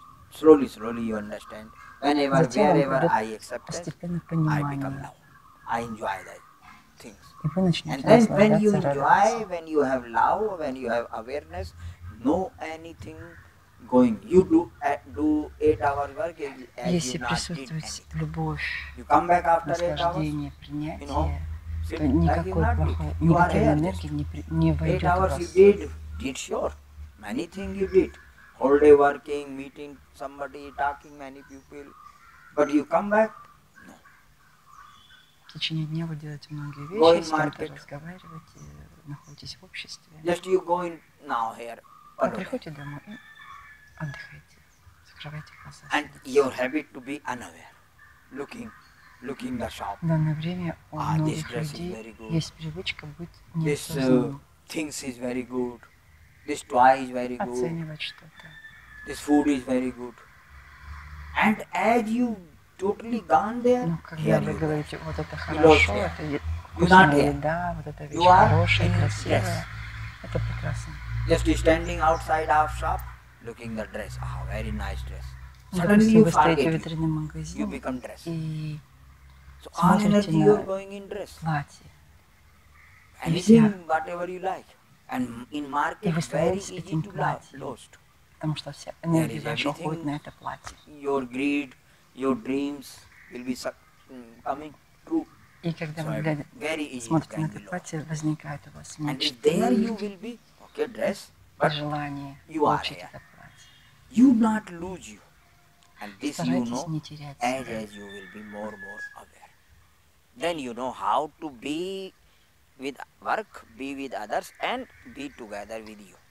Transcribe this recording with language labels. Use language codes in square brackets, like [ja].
[en] slowly, slowly you understand. Whenever, wherever I accept it, I become love. I enjoy that things. And then when you enjoy, when you have love, when you have awareness, no anything going. You do 8 hour work and you not did anything. [ru] Любовь, [en] you come back after 8 hours, [ru] принятие, [en] you know, [ru] то никакой плохой, никакой энергии не войдет в вас. [en] You did sure. Many things you did. Whole day working, meeting somebody, talking many people. But you come back? No. [ru] В течение дня вы делаете многие вещи, с кем-то разговариваете, находитесь в обществе. [en] Just you go in now here. [ru] Вы приходите домой и отдыхаете, закрываете глаза. [en] And your habit to be unaware, looking. Looking the shop. [ru] В данное время у многих людей есть привычка быть неосознанным. [en] This things is very good. This toy is very good. [ru] Оценивать что-то. [en] This food is very good. And as you totally gone there, [ru] но когда вы говорите, вот это хорошо, это вкусная еда, вот эта вещь хорошая, красивая, это прекрасно. [en] Just standing outside our shop, looking the dress. Oh, very nice dress. Suddenly you forget it. You become dressed. So all energy you are going in dress. [ru] Платье. [en] Anything, whatever you like. And in market, very easy to love, lost. [ru] Потому что вся энергия ваша уходит на это платье. [en] Your greed, your dreams will be coming true. [ru] И когда вы смотрите на это платье, возникает у вас мечта. [en] And there you will be, okay, dress, but [ru] желание [en] you are here. You not lose you. And this you know, as you will be more aware. Then you know how to be with work, be with others, and be together with you.